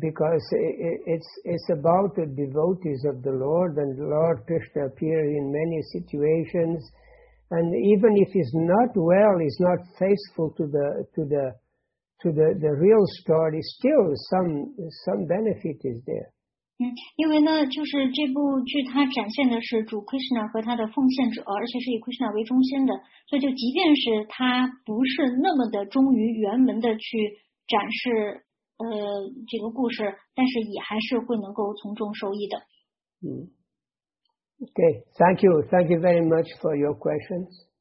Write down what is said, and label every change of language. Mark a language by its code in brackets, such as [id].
[en] because it's about the devotees of the Lord, and Lord Krishna appears in many situations. And even if he's not well, he's not faithful to the real story, still some benefit is there. [zh] 因为呢，就是这部剧它展现的是主 Krishna 和他的奉献者，而且是以 Krishna 为中心的，所以就即便是他不是那么的忠于原文的去展示这个故事，但是也还是会能够从中受益的。 [en] Okay, thank you very much for your questions.